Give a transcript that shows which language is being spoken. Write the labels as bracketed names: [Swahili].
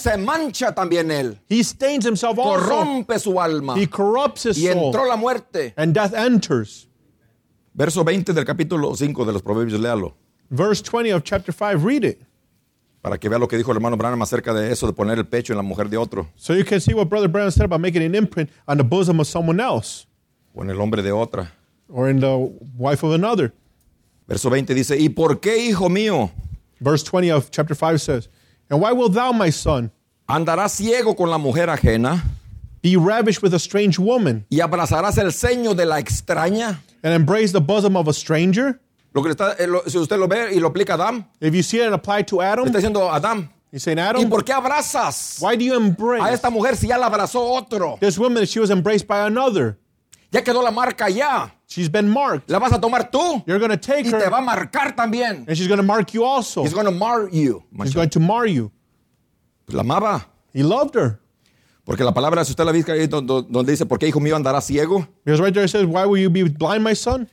[Spanish] se mancha también él, [English] he stains himself also, [Spanish] corrompe su alma, [English] he corrupts his soul, [Spanish] y entró la muerte, [English] and death enters. [Spanish] Verso 20 del capítulo 5 de los Proverbios, léalo. [English] Verse 20 of chapter 5, read it. [Spanish] Para que vea lo que dijo el hermano Branham acerca de eso, de poner el pecho en la mujer de otro. [English] So you can see what Brother Branham said about making an imprint on the bosom of someone else. [Spanish] O en el hombre de otra. [English] Or in the wife of another. [Spanish] Verso 20 dice, ¿y por qué, hijo mío? [English] Verse 20 of chapter 5 says, and why will thou, my son, [Spanish] andarás ciego con la mujer ajena, [English] be ravished with a strange woman, [Spanish] y abrazarás el ceño de la extraña, [English] and embrace the bosom of a stranger? [Spanish] Lo que está, si usted lo ve y lo aplica a Adam. [English] If you see it and apply to Adam. [Spanish] Está diciendo Adam. [English] He's saying Adam. [Spanish] ¿Y por qué abrazas? [English] Why do you embrace? [Spanish] A esta mujer si ya la abrazó otro. [English] This woman, she was embraced by another. [Spanish] Ya quedó la marca ya. [English] She's been marked. [Spanish] La vas a tomar tú. [English] You're going to take [Spanish] y [English] her. [Spanish] Y te va a marcar también. [English] And she's going to mark you also. He's going to mar you. She's going to mar you. [Spanish] La amaba. [English] He loved her. [Spanish] Porque la palabra, si usted la viste ahí donde dice, ¿por qué, hijo mío, andarás ciego? [English] Because right there it says, why will you be blind, my son?